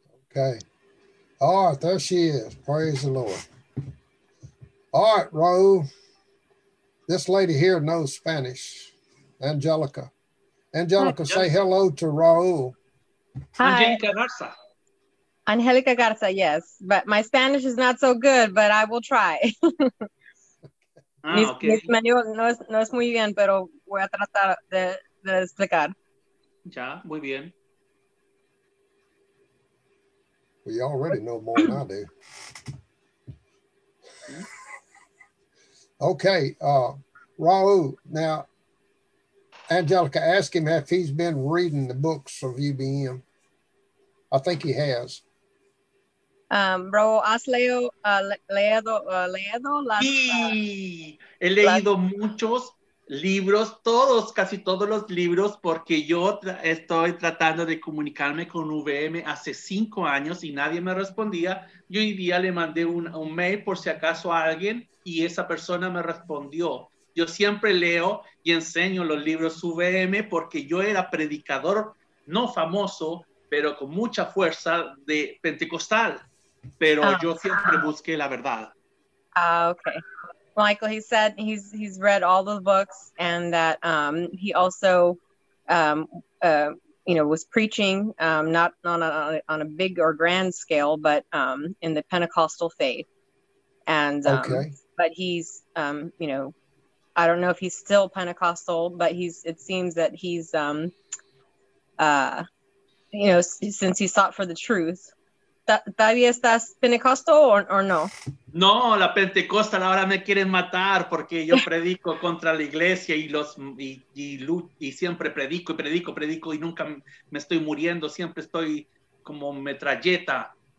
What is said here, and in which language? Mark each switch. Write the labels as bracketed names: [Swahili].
[English] Okay. All right, there she is. Praise the Lord. All right, Raul. This lady here knows Spanish, Angelica. Angelica, hi. Say hello to Raul. Hi. Angelica Garza. Angelica Garza, yes. But my Spanish is not so good, but I will try. Okay. [Spanish] Mi español no es muy bien, pero voy a tratar de explicar. Ya, muy bien. [English] We already know more than I do. Okay, Raul, now, Angelica, ask him if he's been reading the books of UBM. I think he has. [Spanish] Raul, ¿has leído las... Sí, he leído muchos libros, todos, casi todos los libros, porque yo estoy tratando de comunicarme con UVM hace 5 años y nadie me respondía. Yo hoy día le mandé un mail por si acaso a alguien y esa persona me respondió. Yo siempre leo y enseño los libros UVM porque yo era predicador, no famoso, pero con mucha fuerza de pentecostal. Pero yo siempre busqué la verdad. [English] Ah, okay. Michael, he said he's read all the books and that he also, you know, was preaching, not on a big or grand scale, but in the Pentecostal faith. And but he's, you know, I don't know if he's still Pentecostal, but it seems that he's, you know, since he sought for the truth. [Spanish] ¿Todavía estás Pentecostal [English] or [Spanish] no? No, la Pentecostal ahora me quieren matar porque yo predico contra la iglesia y siempre predico y nunca me estoy muriendo, siempre estoy como metralleta.